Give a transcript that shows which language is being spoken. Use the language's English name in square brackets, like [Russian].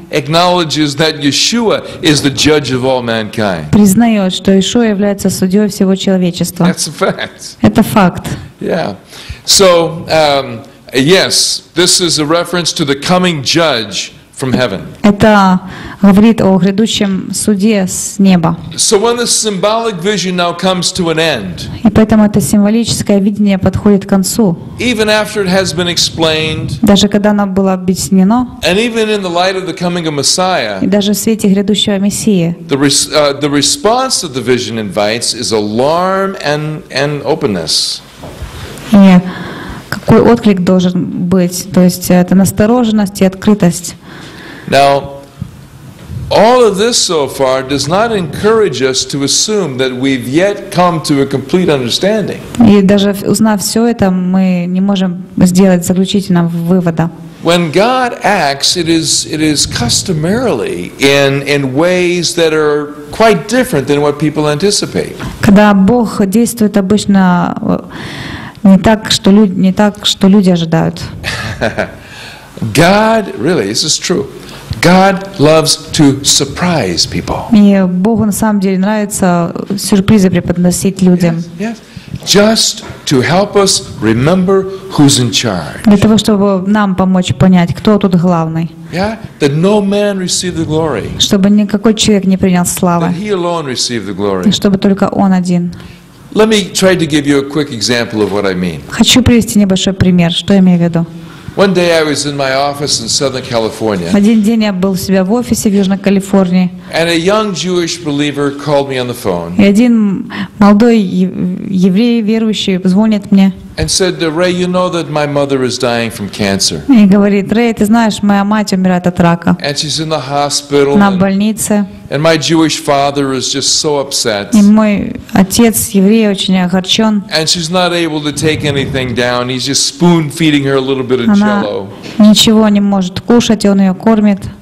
[English] Acknowledges that Yeshua is the judge of all mankind. [Russian] Признает, что Иешуа является судьёй всего человечества. [English] That's a fact. [Russian] Это факт. [English] Yeah. So yes, this is a reference to the coming judge. From heaven. [Russian] Это говорит о грядущем суде с неба. [English] So when the symbolic vision now comes to an end. [Russian] И поэтому это символическое видение подходит к концу. [English] Even after it has been explained. [Russian] Даже когда оно было объяснено. [English] And even in the light of the coming of Messiah. [Russian] И даже в свете грядущего Мессии. [English] The response that the vision invites is alarm and openness. [Russian] Какой отклик должен быть? То есть это настороженность и открытость. [English] Now, all of this so far does not encourage us to assume that we've yet come to a complete understanding. [Russian] И даже узнав все это, мы не можем сделать заключительного вывода. [English] When God acts, it is customarily in ways that are quite different than what people anticipate. [Russian] Когда Бог действует обычно не так, что люди ожидают. [English] God, really, this is true. God loves to surprise people. [Russian] И Богу на самом деле нравится сюрпризы преподносить людям. [English] Yes. Just to help us remember who's in charge. [Russian] Для того, чтобы нам помочь понять, кто тут главный. [English] Yeah. That no man receive the glory. [Russian] Чтобы никакой человек не принял славы. [English] That he alone receive the glory. [Russian] И чтобы только он один. [English] Let me try to give you a quick example of what I mean. [Russian] Хочу привести небольшой пример, что я имею в виду. [English] One day I was in my office in Southern California. [Russian] Один день я был у себя в офисе в Южной Калифорнии. [English] And a young Jewish believer called me on the phone. [Russian] И один молодой еврей верующий звонит мне. [English] And said, "Рэй, you know that my mother is dying from cancer." [Russian] И говорит, Рэй, ты знаешь, моя мать умирает от рака. [English] And she's in the hospital. [Russian] На больнице. [English] And my Jewish father is just so upset. [Russian] И мой отец еврей очень огорчен. [English] And she's not able to take anything down. He's just spoon feeding her a little bit of jello. [Russian] Ничего не может кушать, и он ее кормит.